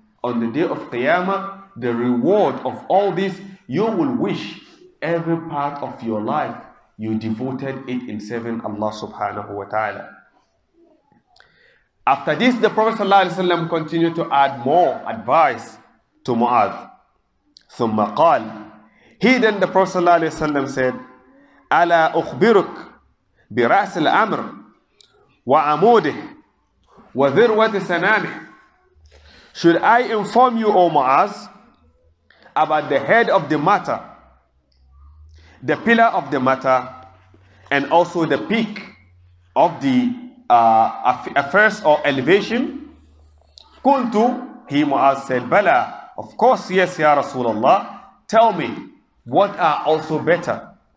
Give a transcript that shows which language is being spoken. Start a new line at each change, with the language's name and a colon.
English: On the day of Qiyamah, the reward of all this, you will wish every part of your life you devoted it in serving Allah subhanahu wa ta'ala. After this, the Prophet sallallahu alaihi wasallam continued to add more advice to Mu'adh.
Arabic: ثم قال,
English: he then, the Prophet sallallahu alaihi wasallam said,
Arabic: ألا أخبرك برأس الأمر وعموده وذروة سنامه.
English: Should I inform you, O Mu'adh, about the head of the matter, the pillar of the matter, and also the peak of the affairs or elevation? Kuntu, he Mu'adh said, Bala, of course, yes, Ya Rasulullah, tell me, what are also better?